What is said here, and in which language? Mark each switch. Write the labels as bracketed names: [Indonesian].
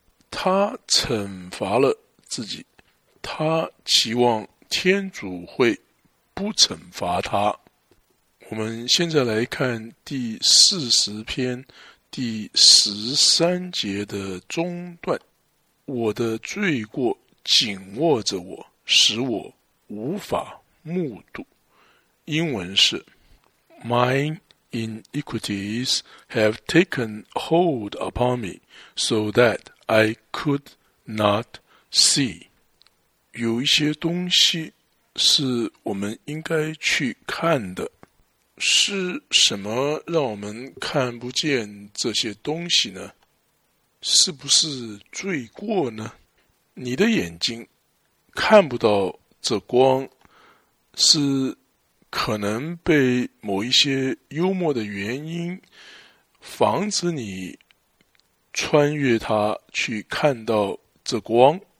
[Chinese] 他惩罚了自己，他期望天主会不惩罚他。我们现在来看第40篇第13节的中段。我的罪过紧握着我，使我无法目睹。英文是 [English] My iniquities have taken hold upon me so that I could not see. [Chinese] 有一些东西是我们应该去看的。是什么让我们看不见这些东西呢？是不是罪过呢？你的眼睛看不到这光，是可能被某一些幽默的原因防止你穿越它去看到这光，